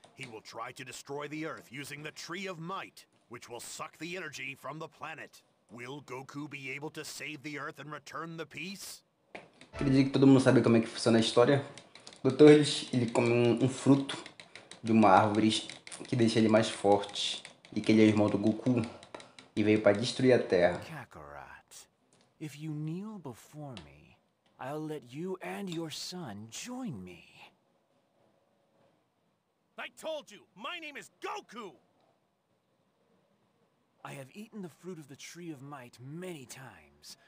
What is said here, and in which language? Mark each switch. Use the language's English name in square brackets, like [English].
[English] He will try to destroy the Earth using the Tree of Might, which will suck the energy from the planet. Will Goku be able to save the Earth and return the peace? [Portuguese] Acredito que todo mundo sabe como é que funciona a história. O Turles, ele come um fruto de uma árvore que deixa ele mais forte. E que ele é irmão do Goku e veio para destruir a Terra. [English] Kakarot, if you kneel before me, I'll let you and your son join me. I told you, my name is Goku. I have eaten the fruit of the Tree of Might many times.